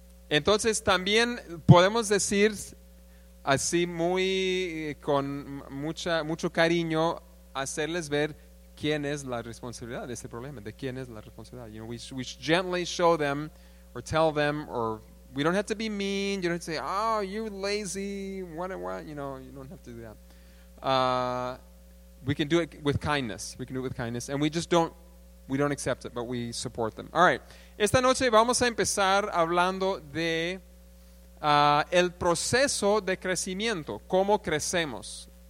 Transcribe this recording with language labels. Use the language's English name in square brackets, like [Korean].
[Spanish] Entonces, también podemos decir así muy con mucho cariño, hacerles ver quién es la responsabilidad de este problema, de quién es la responsabilidad. [English] You know, we should gently show them or tell them, or we don't have to be mean. You don't have to say, oh, you're lazy, what, you know, you don't have to do that. We can do it with kindness. We can do it with kindness. And we don't accept it, but we support them. All right. [Spanish] Esta noche vamos a empezar hablando de el proceso de crecimiento, cómo crecemos.